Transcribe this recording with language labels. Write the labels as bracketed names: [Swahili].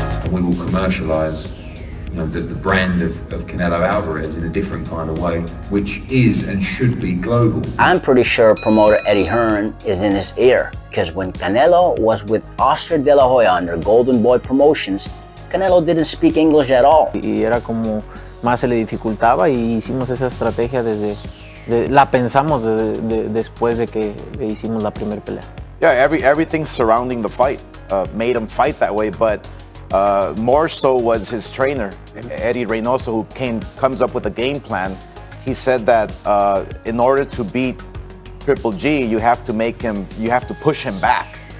[English] we will commercialize, you know, the brand of Canelo Alvarez in a different kind of way, which is and should be global. I'm pretty sure promoter Eddie Hearn is in his ear, because when Canelo was with Oscar De La Hoya under Golden Boy Promotions, Canelo didn't speak English at all. [Spanish] Y era como más se le dificultaba y hicimos esa estrategia desde la pensamos después de que hicimos la primera pelea. [English] Yeah, everything surrounding the fight made him fight that way, but more so was his trainer, Eddie Reynoso, who comes up with a game plan. He said that in order to beat Triple G, you have to push him back.